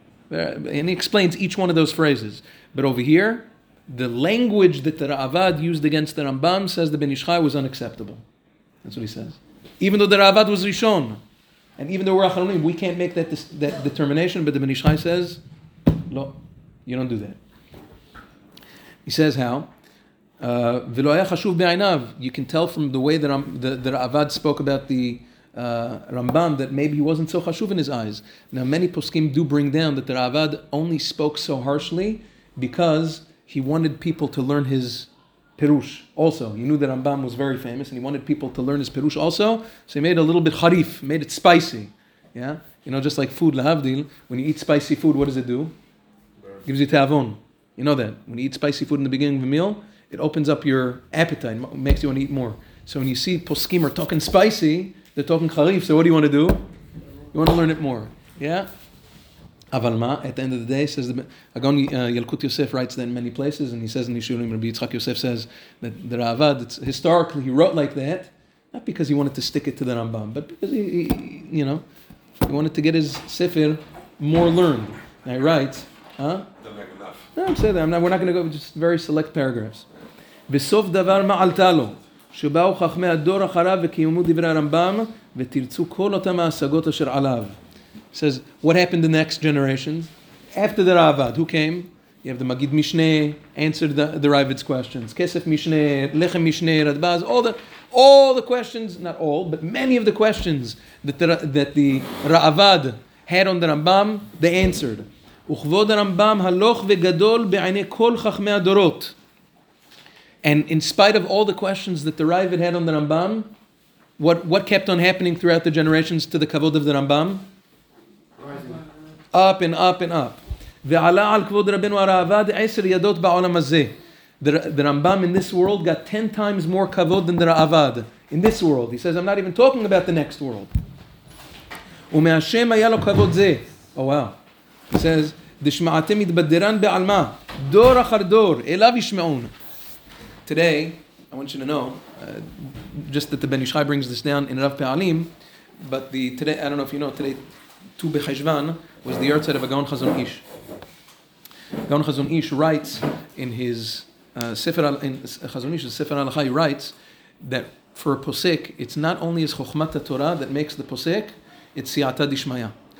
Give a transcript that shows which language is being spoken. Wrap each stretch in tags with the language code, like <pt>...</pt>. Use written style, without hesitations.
<en>And he explains each one of those phrases. But over here, the language that the Ra'avad used against the Rambam says the Ben Ishchai was unacceptable. That's what he says. Even though the Ra'avad was Rishon, and even though we're Achronim, we can't make that determination, but the Ben Ishchai says, no, you don't do that. He says how,</en> <he>ולא היה חשוב בעיניו.</he> <en>You can tell from the way that Ra'avad spoke about the Rambam that maybe he wasn't so chashuv in his eyes. Now many poskim do bring down that the Ra'avad only spoke so harshly because he wanted people to learn his pirush also. He knew that Rambam was very famous and he wanted people to learn his pirush also. So he made it a little bit harif, made it spicy. Yeah, you know, just like food, lahavdil, when you eat spicy food, what does it do? Gives you ta'avon. You know that. When you eat spicy food in the beginning of a meal, it opens up your appetite, makes you want to eat more. So when you see poskim are talking spicy, they're talking charif, so what do you want to do? You want to learn it more. Yeah?</en> <he>אבל מה,</he> <en>at the end of the day, says the Agon Yalkut Yosef writes that in many places, and he says in Yishurim, Rabbi Yitzchak Yosef says that the Ra'avad, historically, he wrote like that, not because he wanted to stick it to the Rambam, but because he wanted to get his sefer more learned. Now he writes, huh? No, I'm saying that. We're not going to go with just very select paragraphs.</en> <he>בסוף דבר מעלתה לו, שבאו חכמי הדור אחריו וקיימו דברי הרמב״ם, ותרצו כל אותם ההשגות אשר עליו.</he> <en>He says, what happened the next generations? After the Ra'avad, who came? You have the Magid Mishneh, answered the Ra'avad's questions. Kesef Mishneh, Lechem Mishneh, Radbaz, all the questions, not all, but many of the questions that the Ra'avad had on the Rambam, they answered.</en> <he>וכבוד הרמב״ם הלוך וגדול בעיני כל חכמי הדורות.</he> <en>And in spite of all the questions that the Ra'avad had on the Rambam, what kept on happening throughout the generations to the kavod of the Rambam? Up and up and up.</en> <he>ועלה על כבוד רבנו הרעבד 10 ידות בעולם הזה.</he> <en>The Rambam in this world got 10 times more kavod than the Ra'avad. In this world. He says, I'm not even talking about the next world.</en> <he>ומהשם היה לו כבוד זה.</he> <en>Oh wow. He says,</en> <he>דשמעתם מתבדרן בעלמה, דור אחר דור, אליו ישמעון.</he> <en>Today, I want you to know, just that the Ben Ishchai brings this down in Rav Pe'alim, but today, I don't know if you know, today, Tu Bechashvan was the yahrzeit of Gaon Chazon Ish. Gaon Chazon Ish writes in his Sefer Chazon Ish, Sefer Halacha, he writes that for a posek, it's not only his Chochmat HaTorah that makes the posek, it's Siyata Dishmaya.</en>